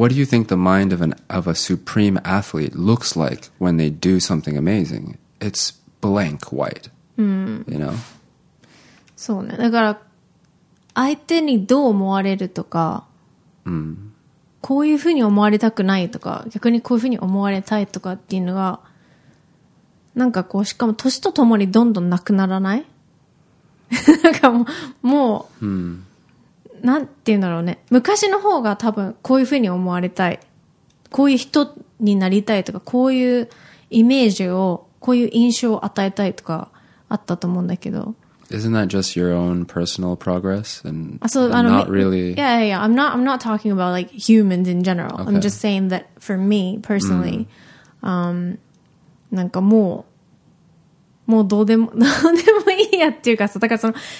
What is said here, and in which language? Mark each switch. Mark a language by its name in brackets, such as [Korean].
[English] What do you think the mind of a supreme athlete looks like when they do something amazing? It'sblank white、you know? [Japanese] そうねだから相手にどう思われるとか、こういうふうに思われたくないとか逆にこういうふうに思われたいとかっていうのがなんかこうしかも年とともにどんどんなくならないなんかもう、なんて言うんだろうね昔の方が多分こういうふうに思われたいこういう人になりたいとかこういうイメージをこういう印象を与えたいとかあったと思うんだけど。 [English] Isn't that just your own personal progress and not really? Yeah, yeah, yeah. I'm not talking about like humans in general.、Okay. I'm just saying that for me personally,、 [Japanese] なんかもうどうでもいいやっていうかさ、だからその